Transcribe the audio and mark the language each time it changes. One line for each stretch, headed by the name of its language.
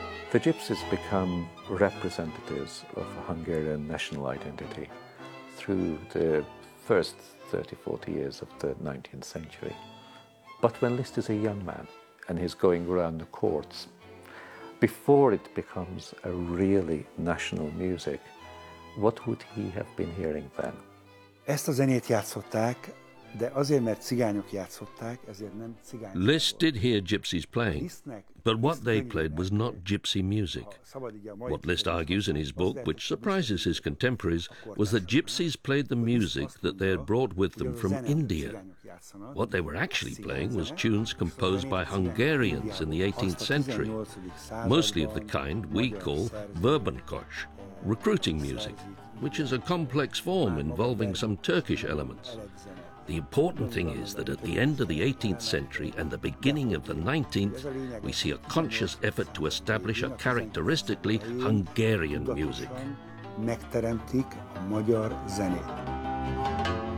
English: The gypsies become representatives of a Hungarian national identity through the first 30, 40 years of the 19th century. But when Liszt is a young man and he's going around the courts, before it becomes a really national music, what would he have been hearing then?
Hungarian: Ezt a zenét játszották, de azért, mert cigányok játszották, ezért nem cigányok.
English: Liszt did hear gypsies playing, but what they played was not gypsy music. What Liszt argues in his book, which surprises his contemporaries, was that gypsies played the music that they had brought with them from India. What they were actually playing was tunes composed by Hungarians in the 18th century, mostly of the kind we call verbenkos, recruiting music, which is a complex form involving some Turkish elements. The important thing is that at the end of the 18th century and the beginning of the 19th, we see a conscious effort to establish a characteristically Hungarian music.
Hungarian: Megteremtik a magyar zenét.